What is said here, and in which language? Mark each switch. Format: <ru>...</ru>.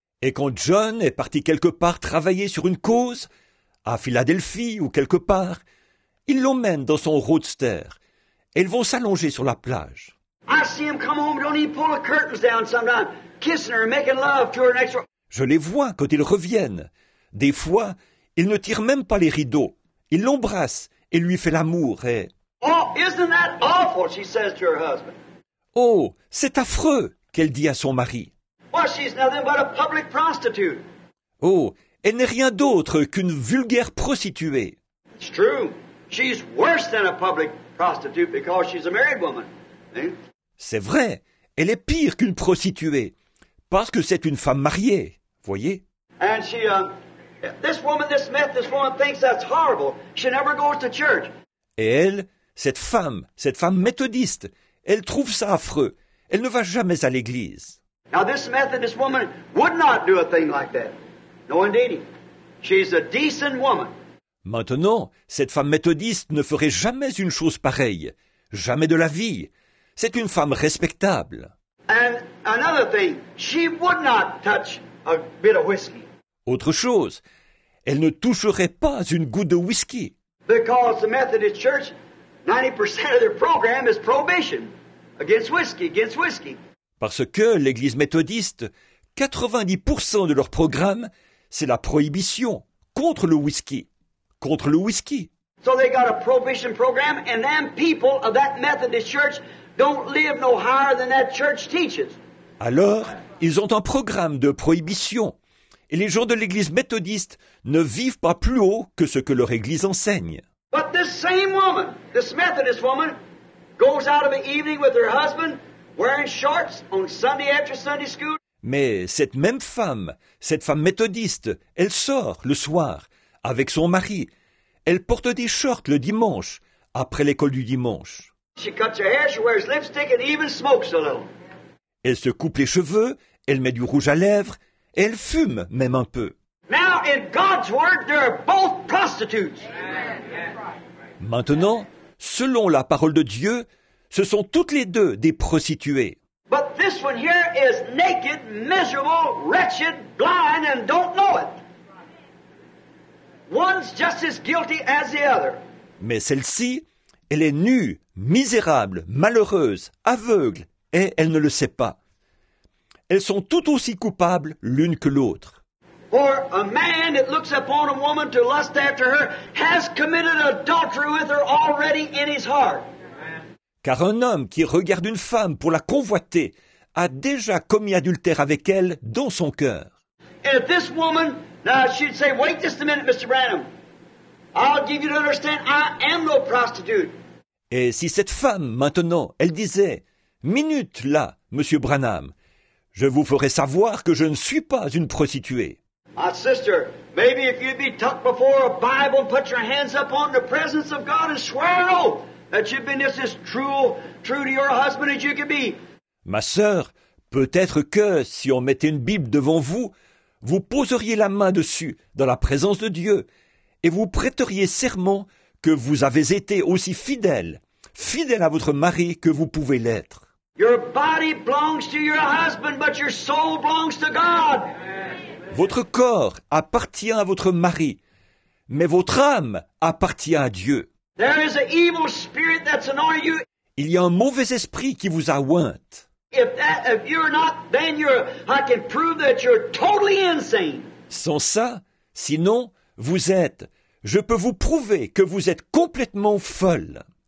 <fr>Et quand John est parti quelque part travailler sur une cause, à Philadelphie ou quelque part, ils l'emmènent dans son roadster. Elles vont s'allonger sur la plage.</fr> <en>I see him come home, don't he pull the curtains down sometimes, kissing her, making love to her next door.</en> <fr>Je les vois quand ils reviennent. Des fois, il ne tire même pas les rideaux. Il l'embrasse et lui fait l'amour et...</fr> <en>Oh, isn't that awful, she says to her husband.</en> <fr>Oh, c'est affreux, qu'elle dit à son mari.</fr> <en>Well, she's nothing but a public prostitute.</en> <fr>Oh, elle n'est rien d'autre qu'une vulgaire prostituée.</fr> <en>It's true. She's worse than a public prostitute because she's a married woman.</en> <fr>C'est vrai. Elle est pire qu'une prostituée parce que c'est une femme mariée, voyez.</fr> <en>And she... this woman, this myth, this woman thinks that's horrible. She never goes to church.</en> <fr>Et elle, cette femme méthodiste, elle trouve ça affreux. Elle ne va jamais à l'église.</fr> <en>Now this Methodist woman would not do a thing like that. No, indeed. She's a decent woman.</en> <fr>Maintenant, cette femme méthodiste ne ferait jamais une chose pareille. Jamais de la vie. C'est une femme respectable.</fr> <en>And another thing, she would not touch a bit of whiskey.</en> <fr>Autre chose, elle ne toucherait pas une goutte de whisky.</fr> <en>Because the Methodist Church, 90% of their program is prohibition. Against whisky, against whisky.</en> <fr>Parce que l'église méthodiste, 90% de leur programme, c'est la prohibition contre le whisky. Contre le whisky.</fr> <en>So they got a prohibition program and them people of that Methodist Church don't live no higher than that church teaches.</en> <fr>Alors, ils ont un programme de prohibition. Et les gens de l'église méthodiste ne vivent pas plus haut que ce que leur église enseigne.</fr> <en>But this same woman, this Methodist woman, goes out of an evening with her husband wearing shorts on Sunday after Sunday school.</en> <fr>Mais cette femme méthodiste, elle sort le soir avec son mari. Elle porte des shorts le dimanche, après l'école du dimanche.</fr> <en>She cuts her hair, she wears lipstick and even smokes a little.</en> <fr>Elle se coupe les cheveux, elle met du rouge à lèvres, et elle fume même un peu.</fr> <en>Now, in God's word, they're both prostitutes.</en> <fr>Maintenant, selon la parole de Dieu, ce sont toutes les deux des prostituées.</fr> <en>But this one here is naked, miserable, wretched, blind, and don't know it. One's just as guilty as the other.</en> <fr>Mais celle-ci, elle est nue, misérable, malheureuse, aveugle, et elle ne le sait pas. Elles sont tout aussi coupables l'une que l'autre.</fr> <en>For a man that looks upon a woman to lust after her has committed adultery with her already in his heart.</en> <fr>Car un homme qui regarde une femme pour la convoiter a déjà commis adultère avec elle dans son cœur.</fr> <en>If this woman, now she'd say, wait just a minute, Mr. Branham. I'll give you to understand, I am no prostitute.</en> <fr>Et si cette femme, maintenant, elle disait, minute là, Monsieur Branham, je vous ferai savoir que je ne suis pas une prostituée.</fr> <en>My sister, maybe if you'd be tucked before a Bible and put your hands up on the presence of God and swear an oath that you've been just as true to your husband as you could be.</en> <fr>Ma sœur, peut-être que si on mettait une Bible devant vous, vous poseriez la main dessus dans la présence de Dieu et vous prêteriez serment que vous avez été aussi fidèle à votre mari que vous pouvez l'être.</fr> <en>Your body belongs to your husband, but your soul belongs to God.</en> <fr>Votre corps appartient à votre mari, mais votre âme appartient à Dieu.</fr> <en>There is an evil spirit that's annoying you.</en> <fr>Il y a un mauvais esprit qui vous a ointe.</fr> <en>If you're not, then you're, I can prove that you're totally insane.</en> <fr>Sans ça, sinon, vous êtes, je peux vous prouver que vous êtes complètement folle.</fr>